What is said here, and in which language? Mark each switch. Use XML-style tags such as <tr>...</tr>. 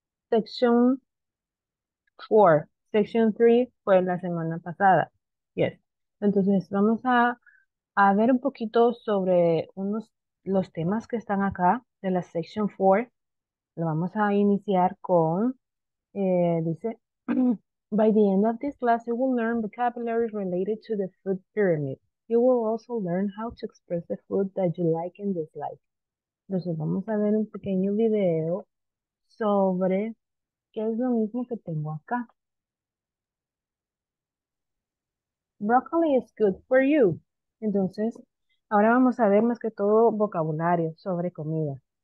<es>Sección 4, sección 3 fue la semana pasada. Yes. Entonces, vamos a ver un poquito sobre los temas que están acá de la sección 4. Lo vamos a iniciar con, dice.</es> <en>By the end of this class, you will learn vocabulary related to the food pyramid. You will also learn how to express the food that you like and dislike.</en> <es>Entonces vamos a ver un pequeño video sobre qué es lo mismo que tengo acá.</es> <en>Broccoli is good for you.</en> <es>Entonces, ahora vamos a ver más que todo vocabulario sobre comida.</es>